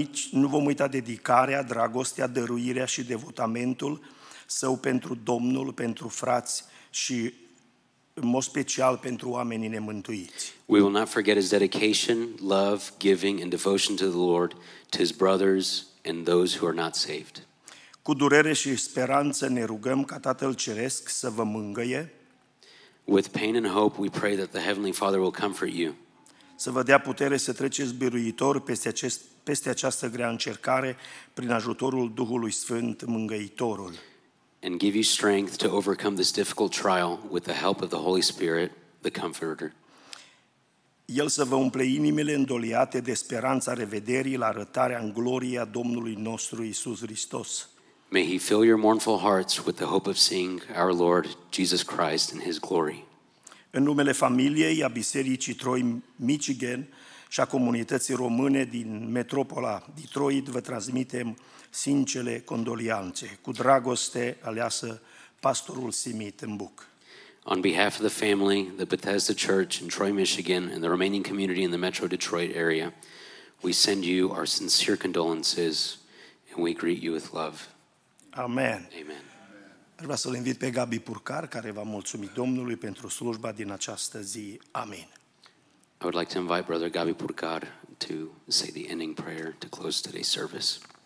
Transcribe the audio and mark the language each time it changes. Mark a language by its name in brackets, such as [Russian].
[Romanian] Nu vom uita dedicarea, dragostea, dăruirea și devotamentul său pentru Domnul, pentru frați și în mod special pentru oamenii nemântuiți. [English] We will not forget his dedication, love, giving and devotion to the Lord, to his brothers and those who are not saved. [Romanian] Cu durere și speranță ne rugăm ca Tatăl Ceresc să vă mângâie. [English] With pain and hope we pray that the Heavenly Father will comfort you. [Romanian] Să vă dea putere să treceți biruitor peste această grea încercare prin ajutorul Duhului Sfânt Mângăitorul. [English] And give you strength to overcome this difficult trial with the help of the Holy Spirit, the Comforter. [Romanian] El să vă umple inimile îndoliate de speranța revederii la arătarea în gloria Domnului nostru Iisus Hristos. [English] May he fill your mournful hearts with the hope of seeing our Lord Jesus Christ in his glory. [Romanian] În numele familiei, a Bisericii Troy, Michigan și a comunității române din metropola Detroit, vă transmitem sincere condolianțe. Cu dragoste, aleasă pastorul Simi Timbuk. [English] On behalf of the family, the Bethesda Church in Troy, Michigan, and the Romanian community in the Metro Detroit area, we send you our sincere condolences and we greet you with love. Amen. Amen. [Romanian] Aș vrea să-l invit pe Gabi Purcar, care va mulțumi Domnului pentru slujba din această zi. Amin. [English] I would like to invite brother Gabi Purcar to say the ending prayer to close today's service.